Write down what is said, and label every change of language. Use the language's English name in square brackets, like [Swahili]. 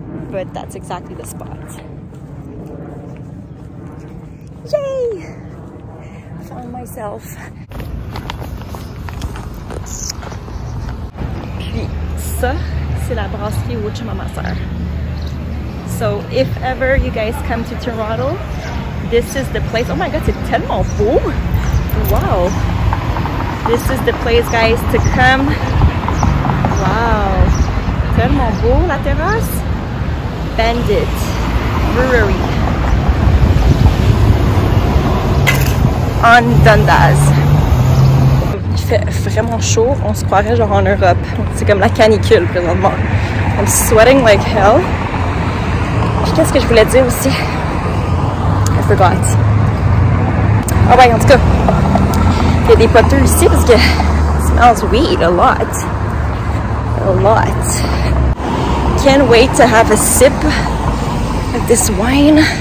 [English] But that's exactly the spot. Yay! on myself. [French] Puis ça, c'est la brasserie où je m'en sers. [English] So if ever you guys come to Toronto, this is the place. Oh my god, [French] c'est tellement beau! [English] Wow! This is the place, guys, to come. [French] Wow! Tellement beau, la terrasse! [English] Bandit Brewery. On Dundas. [French] Il fait vraiment chaud, on se croirait genre en Europe. C'est comme la canicule présentement. [English] I'm sweating like hell. [French] Qu'est-ce que je voulais dire aussi? [English] I forgot. [French] Ah ouais, en tout cas, il y a des poteaux ici parce que ça [English] smells weed a lot. A lot. Can't wait to have a sip of this wine.